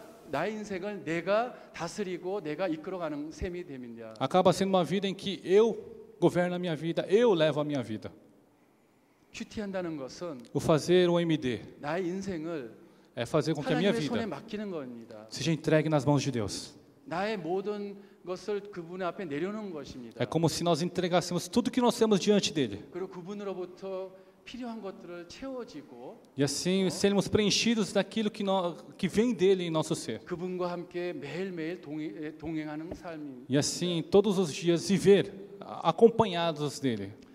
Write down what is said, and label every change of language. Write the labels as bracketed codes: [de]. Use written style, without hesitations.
[ko] 나의 인생을 내가 다스리고 내가 이끌어가는 셈이 됩니다. [pt] Acaba sendo uma vida em que eu governo a minha vida, eu levo a minha vida. [ko] 큐티한다는 것은 [pt] O fazer o MD. [ko] 나의 인생을 [pt] é fazer com que a minha vida [ko] 하나님의 손에 맡기는 겁니다. [pt] Seja entregue nas mãos de Deus. [ko] 나의 모든 것을 그분 앞에 내려놓는 것입니다. [pt] É como se nós entregássemos tudo que nós temos diante dele. [ko] 그리고 그분으로부터 필요한 것들을 채워지고 [pt] e assim seremos preenchidos daquilo que, nós, que vem dele em nosso ser. [ko] 그분과 함께 매일매일 동행하는 삶. [pt] E assim todos os dias viver acompanhados dele.